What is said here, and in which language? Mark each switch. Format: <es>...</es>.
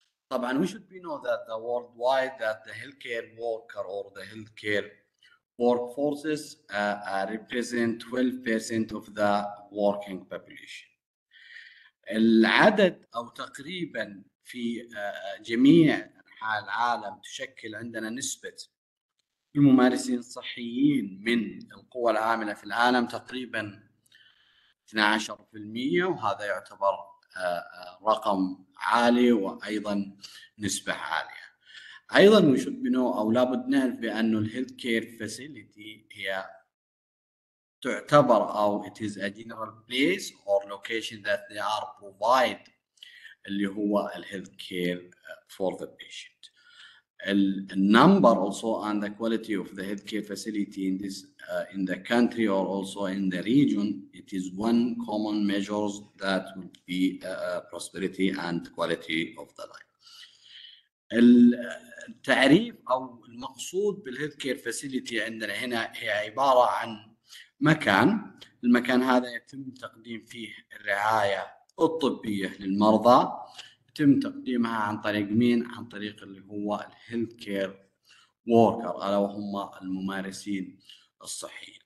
<en>طبعا we should be know that the worldwide that the healthcare worker or the healthcare workforces represent 12% of the working population.</en> <ar>العدد أو تقريبا في جميع أنحاء العالم تشكل عندنا نسبة الممارسين الصحيين من القوى العاملة في العالم تقريبا 12%، وهذا يعتبر رقم عالي وأيضا نسبة عالية.</ar> <en>ايضا we should know</en> <ar>او لابد نعرف بان</ar> <en>الهيلث care facility هي تعتبر او it is a general place or location that they are provide اللي هو الهيلث كير for the patient. النمبر also and the quality of the health care facility in this in the country or also in the region, it is one common measures that would be prosperity and quality of the life.</en> <ar>التعريف او المقصود بالهيلث كير فاسيليتي عندنا هنا هي عباره عن مكان، المكان هذا يتم تقديم فيه الرعايه الطبيه للمرضى، يتم تقديمها عن طريق مين؟ عن طريق اللي هو الهيلث كير وركر الا وهم الممارسين الصحيين.</ar>